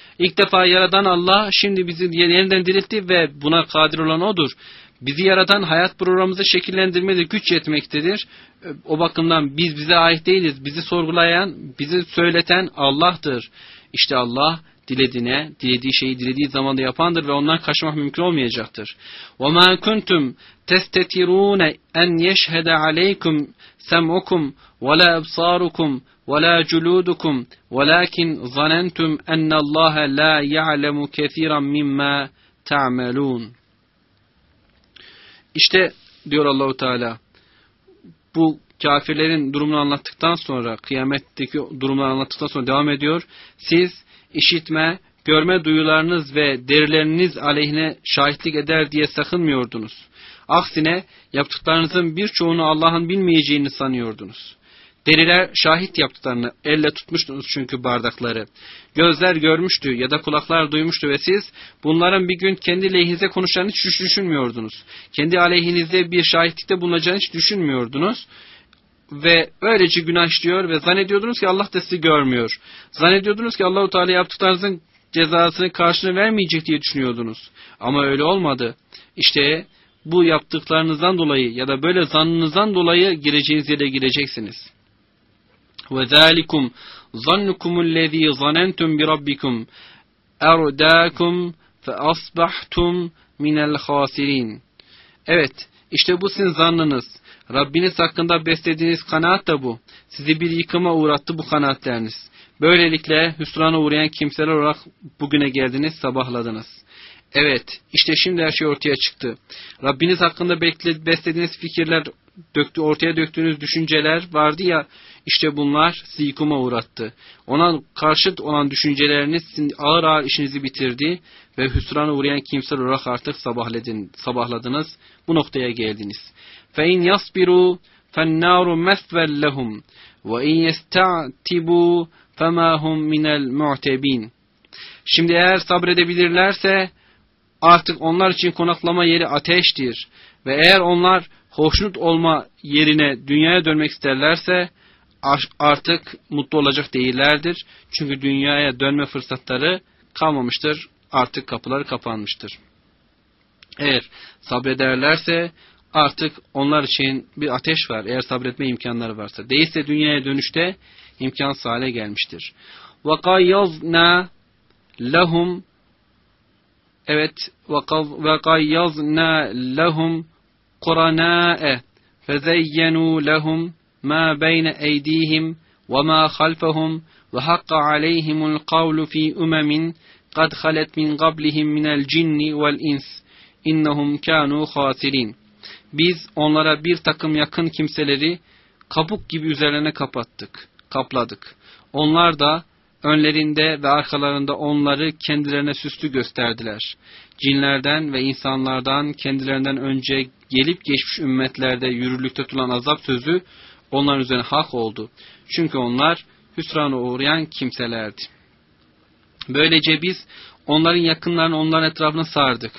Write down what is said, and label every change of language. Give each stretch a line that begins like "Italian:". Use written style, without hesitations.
Turkish: İlk defa yaradan Allah şimdi bizi yeniden diriltti ve buna kadir olan O'dur. Bizi yaratan hayat programımızı şekillendirmede güç yetmektedir. O bakımdan biz bize ait değiliz. Bizi sorgulayan, bizi söyleten Allah'tır. İşte Allah dilediğine, dilediği şeyi dilediği zamanda yapandır ve ondan kaçmak mümkün olmayacaktır.
Arabic: وَمَا كُنْتُمْ تَسْتَتِرُونَ اَنْ يَشْهَدَ عَلَيْكُمْ سَمْعُكُمْ وَلَا اَبْصَارُكُمْ وَلَا جُلُودُكُمْ وَلَاكِنْ ظَنَنْتُمْ اَنَّ اللّٰهَ لَا يَعْلَمُ كَثِيرًا مِمَّا تَعْمَلُونَ
Turkish: İşte diyor Allah-u Teala, bu kafirlerin durumunu anlattıktan sonra, kıyametteki durumunu anlattıktan sonra devam ediyor. Siz işitme, görme duyularınız ve derileriniz aleyhine şahitlik eder diye sakınmıyordunuz. Aksine yaptıklarınızın birçoğunu Allah'ın bilmeyeceğini sanıyordunuz. Deriler şahit yaptıklarını, elle tutmuştunuz çünkü bardakları. Gözler görmüştü ya da kulaklar duymuştu ve siz bunların bir gün kendi lehinize konuşacağını hiç düşünmüyordunuz. Kendi aleyhinizde bir şahitlikte bulunacağını hiç düşünmüyordunuz. Ve öylece günah işliyor ve zannediyordunuz ki Allah da sizi görmüyor. Zannediyordunuz ki Allah-u Teala yaptıklarınızın cezasını karşılığını vermeyecek diye düşünüyordunuz. Ama öyle olmadı. İşte bu yaptıklarınızdan dolayı ya da böyle zannınızdan dolayı gireceğiniz yere gireceksiniz.
Arabic: وَذَٰلِكُمْ ظَنُّكُمُ الَّذ۪ي ظَنَنْتُمْ بِرَبِّكُمْ اَرْدَاكُمْ فَأَصْبَحْتُمْ مِنَ الْخَاسِرِينَ
Turkish: Evet, işte bu sizin zannınız. Rabbiniz hakkında beslediğiniz kanaat da bu. Sizi bir yıkıma uğrattı bu kanaatleriniz. Böylelikle hüsrana uğrayan kimseler olarak bugüne geldiniz, sabahladınız. Evet, işte şimdi her şey ortaya çıktı. Rabbiniz hakkında beslediğiniz fikirler, ortaya döktüğünüz düşünceler vardı ya, işte bunlar sizi yıkıma uğrattı. Ona karşıt olan düşünceleriniz ağır ağır işinizi bitirdi ve hüsrana uğrayan kimseler olarak artık sabahladınız, bu noktaya geldiniz.
Arabic: فَاِنْ يَصْبِرُوا فَالنَّارُ مَثْوَلْ لَهُمْ وَاِنْ يَسْتَعْتِبُوا فَمَا هُمْ مِنَ الْمُعْتَب۪ينَ
Turkish: Şimdi eğer sabredebilirlerse artık onlar için konaklama yeri ateştir. Ve eğer onlar hoşnut olma yerine dünyaya dönmek isterlerse artık mutlu olacak değillerdir. Çünkü dünyaya dönme fırsatları kalmamıştır. Artık kapıları kapanmıştır. Eğer sabrederlerse artık onlar için bir ateş var, eğer sabretme imkanları varsa. Değilse dünyaya dönüşte imkansız hale gelmiştir.
Arabic: وَقَيَّضْنَا لَهُمْ Evet, وَقَيَّضْنَا لَهُمْ قُرَنَاءَ فَزَيَّنُوا لَهُمْ مَا بَيْنَ اَيْد۪يهِمْ وَمَا خَلْفَهُمْ وَحَقَّ عَلَيْهِمُ الْقَوْلُ ف۪ي اُمَمٍ قَدْ خَلَتْ مِنْ قَبْلِهِمْ مِنَ الْجِنِّ وَالْاِنْسِ اِنَّهُمْ كَانُوا خَاسِرِينَ
Turkish: Biz onlara bir takım yakın kimseleri kabuk gibi üzerlerine kapattık, kapladık. Onlar da önlerinde ve arkalarında onları kendilerine süslü gösterdiler. Cinlerden ve insanlardan kendilerinden önce gelip geçmiş ümmetlerde yürürlükte tutulan azap sözü onların üzerine hak oldu. Çünkü onlar hüsrana uğrayan kimselerdi. Böylece biz onların yakınlarını onların etrafına sardık.